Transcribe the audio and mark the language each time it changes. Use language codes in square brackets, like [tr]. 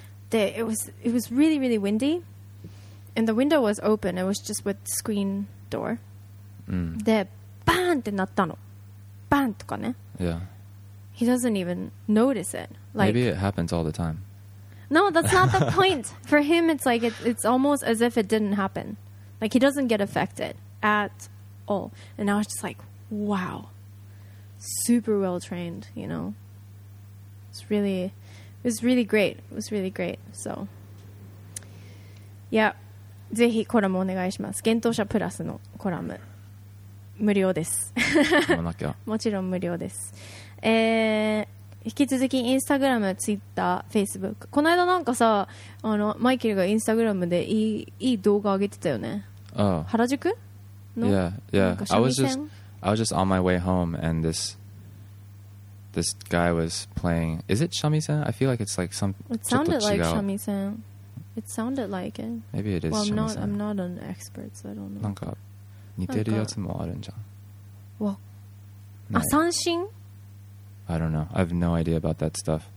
[en] で、it was really really windy, and the window was open. It was just with the screen door. [ja] でバーンって鳴ったの、バーンとかね。 [en] Yeah. He doesn't even notice it. Like, maybe it happens all the time. No, that's not the point. For him, it's like it's almost as if it didn't happen. Like he doesn't get affected at all. And I was just like, wow, super well trained. You know, it was really great. It was really great. [ja] So, yeah, ぜひコラムお願いします。幻冬舎プラスのコラム。無料です。もちろん無料です。引き続きインスタグラム、ツイッター、フェイスブック。この間なんかさ、あのマイケルがインスタグラムでいい動画上げてたよね。 [en] Oh. [ja] 原宿の [en] Yeah, yeah. I was just on my way home and this guy was playing. Is it 三味線?I feel like it's like some. It sounded like 三味線.It sounded like it. Maybe it is 三味線. Well, I'm not an expert, so I don't know. [ja] なんか似てるやつもあるんじゃん。わ、あ、三振。 [en] I don't know. I have no idea about that stuff.